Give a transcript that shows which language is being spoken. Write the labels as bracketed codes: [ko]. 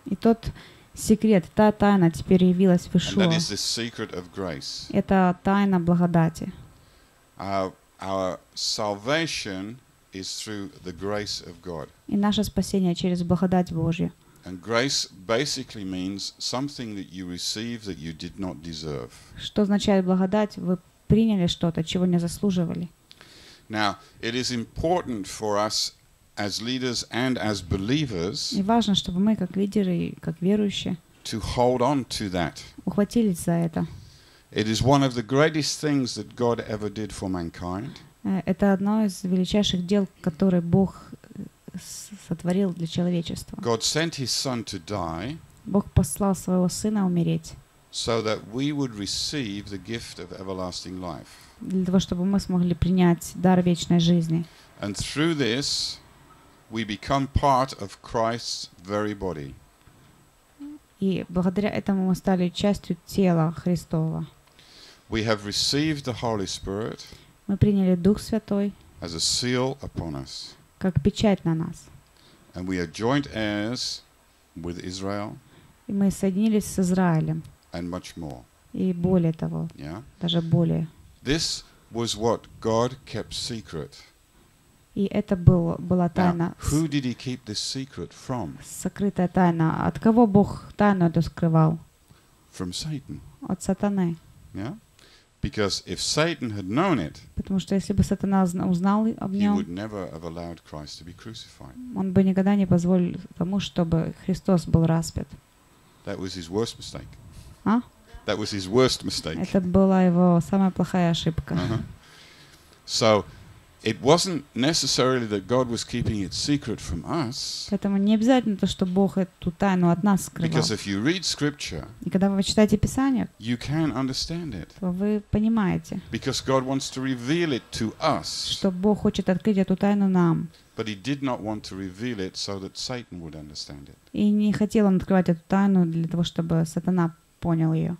[ru] И тот секрет, та тайна теперь явилась в Ишуа. [en] And that is the secret of grace. [ru] Это тайна благодати. [en] Our salvation is through the grace of God. [ru] И наше спасение через благодать Божью. [en] And grace basically means something that you receive that you did not deserve. [ru] Что означает благодать? Вы приняли что-то, чего не заслуживали. [en] Now, it is important for us as leaders and as believers. [ru] И важно, чтобы мы как лидеры и как верующие [en] to hold on to that. [ru] Ухватились за это. [en] It is one of the greatest things that God ever did for mankind. [ru] Это одно из величайших дел, которые Бог сотворил для человечества. [en] God sent His Son to die. [ru] Бог послал своего Сына умереть. [en] So that we would receive the gift of everlasting life. [ru] Для того, чтобы мы смогли принять дар вечной жизни. [en] And through this, we become part of Christ's very body. [ru] И благодаря этому мы стали частью тела Христова. [en] We have received the Holy Spirit. [ru] Мы приняли Дух Святой [en] as a seal upon us. [ru] Как печать на нас. [en] And we are joint heirs with Israel. [ru] И мы соединились с Израилем. [en] And much more. [ru] И более того. [en] Yeah. [ru] Даже более. [en] This was what God kept secret. [ru] И это была тайна. [en] Now, who did He keep this secret from? [ru] Сокрытая тайна. От кого Бог тайну эту скрывал? [en] From Satan. [ru] От сатаны. [en] Yeah? Because if Satan had known it, [ru] потому что если бы сатана узнал об нем, [en] he would never have allowed Christ to be crucified. [ru] Он бы никогда не позволил тому, чтобы Христос был распят. [en] That was his worst mistake. А? That was his worst mistake. [ru] Это была его самая плохая ошибка. [en] So, It wasn't necessarily that God was keeping it secret from us. [ru] Поэтому не обязательно то, что Бог эту тайну от нас скрывал. [en] Because if you read scripture, [ru] и когда вы читаете Писание, [en] you can understand it. [ru] То вы понимаете. [en] Because God wants to reveal it to us. [ru] Что Бог хочет открыть эту тайну нам. [en] But he did not want to reveal it so that Satan would understand it. [ru] И не хотел он открывать эту тайну для того, чтобы сатана понял ее.